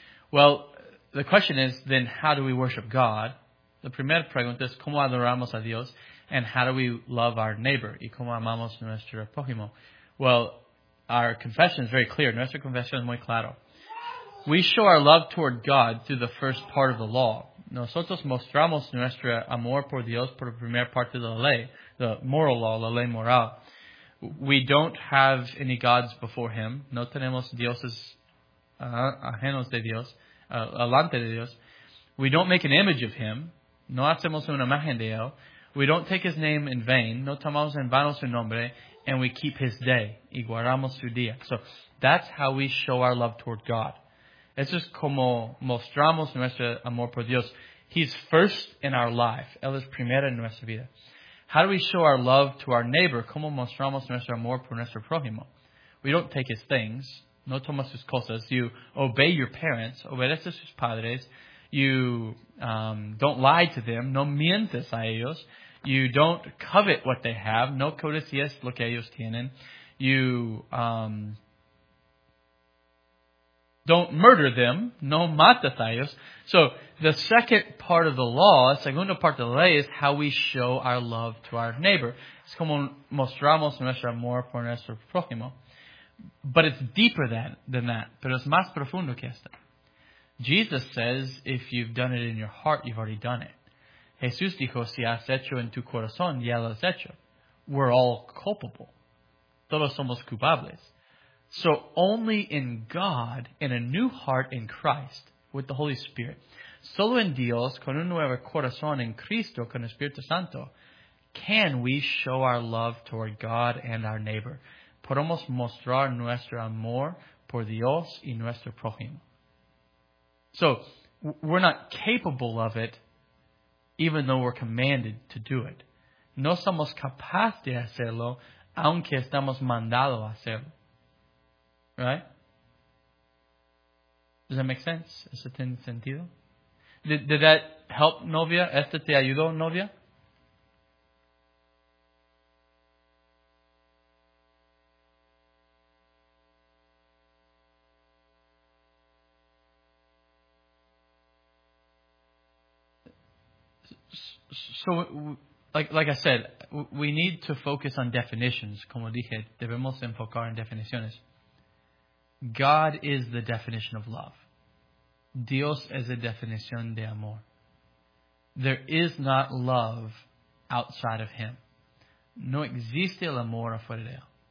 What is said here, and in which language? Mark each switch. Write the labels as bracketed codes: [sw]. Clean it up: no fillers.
[en] Well, the question is, then, how do we worship God? [es] La primera pregunta es, ¿cómo adoramos a Dios? [en] And how do we love our neighbor? [es] ¿Y cómo amamos nuestro prójimo? [en] Well, our confession is very clear. [es] Nuestra confesión es muy claro. [en] We show our love toward God through the first part of the law. [es] Nosotros mostramos nuestro amor por Dios por la primera parte de la ley, [en] the moral law, [es] la ley moral. [en] We don't have any gods before him. [es] No tenemos dioses ajenos de Dios, alante de Dios. [en] We don't make an image of him. [es] No hacemos una imagen de él. [en] We don't take his name in vain. [es] No tomamos en vano su nombre. [en] And we keep his day. [es] Y guardamos su día. [en] So that's how we show our love toward God. [es] Eso es como mostramos nuestro amor por Dios. [en] He's first in our life. [es] Él es primero en nuestra vida. [en] How do we show our love to our neighbor? [es] ¿Cómo mostramos nuestro amor por nuestro prójimo? [en] We don't take his things. [es] No tomas sus cosas. [en] You obey your parents. [es] Obedeces sus padres. [en] You don't lie to them. [es] No mientes a ellos. [en] You don't covet what they have. [es] No codicias lo que ellos tienen. [en] You don't murder them. [es] No matas a ellos. [en] So the second part of the law, [es] la segunda parte de la ley, [en] is how we show our love to our neighbor. [es] Es como mostramos nuestro amor por nuestro prójimo. [en] But it's deeper than that. [es] Pero es más profundo que esto. [en] Jesus says, if you've done it in your heart, you've already done it. [es] Jesús dijo, si has hecho en tu corazón, ya lo has hecho. [en] We're all culpable. [es] Todos somos culpables. [en] So only in God, in a new heart in Christ, with the Holy Spirit, [es] solo en Dios, con un nuevo corazón en Cristo, con el Espíritu Santo, [en] can we show our love toward God and our neighbor. [es] Podemos mostrar nuestro amor por Dios y nuestro prójimo. [en] So, we're not capable of it, even though we're commanded to do it. [es] No somos capaces de hacerlo, aunque estamos mandados a hacerlo. [en] Right? Does that make sense? [es] ¿Eso tiene sentido? [en] Did that help, novia? [es] ¿Esto te ayudó, novia? [en] So, like I said, we need to focus on definitions. [es] Como dije, debemos enfocar en definiciones. [en] God is the definition of love. [es] Dios es la definición de amor. [en] There is not love outside of him. [es] No existe el amor afuera de él.